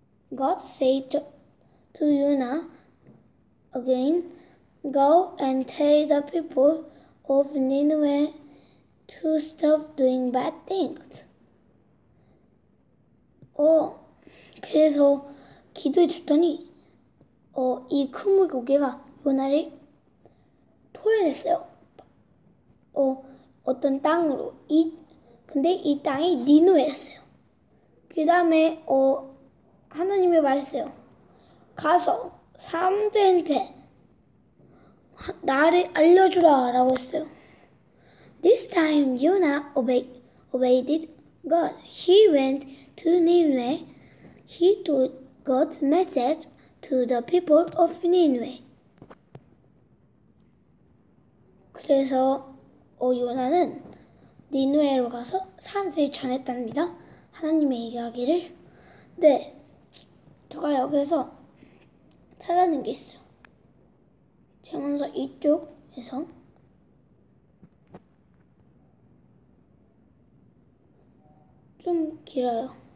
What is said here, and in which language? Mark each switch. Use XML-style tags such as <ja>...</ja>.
<en>God said to Jonah again, "Go and tell the people of Nineveh to stop doing bad things."</en> <ko>그래서 기도해 줬더니 이 큰 물고기가 요나를 토해냈어요. 어떤 땅으로. 근데 이 땅이 니누에였어요. 그 다음에 하나님이 말했어요. 가서 사람들한테 나를 알려주라 라고 했어요.</ko> <en>This time Jonah obeyed God. He went to Nineveh. He told God's message to the people of Nineveh.</en> <ko>그래서 요나는 니누에로 가서 사람들이 전했답니다. 하나님의 이야기를. 네, 제가 여기서 찾아낸 게 있어요. 재문서 이쪽에서 좀 길어요.</ko>